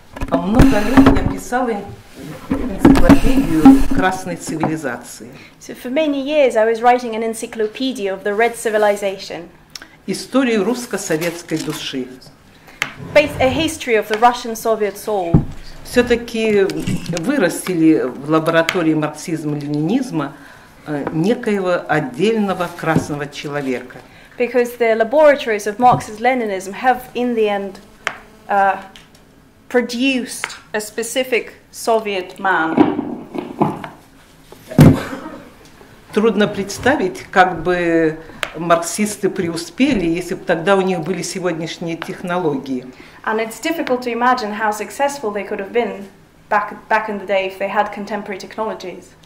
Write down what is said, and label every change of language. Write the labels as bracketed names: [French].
[Russian] А много лет я писала энциклопедию красной цивилизации. [English] So for many years I was writing an encyclopedia of the red civilization. [Russian] Историю русско-советской души. [English] A history of the Russian-Soviet soul. [Russian] Все-таки вырастили в лаборатории марксизма-ленинизма некоего отдельного красного человека. [English] Because the laboratories of Marxist-Leninism have in the end produced a specific Soviet man. [Russian] Трудно представить, как бы марксисты преуспели, если бы тогда у них были сегодняшние технологии. [English] And it's difficult to imagine how successful they could have been back in the day if they had contemporary technologies.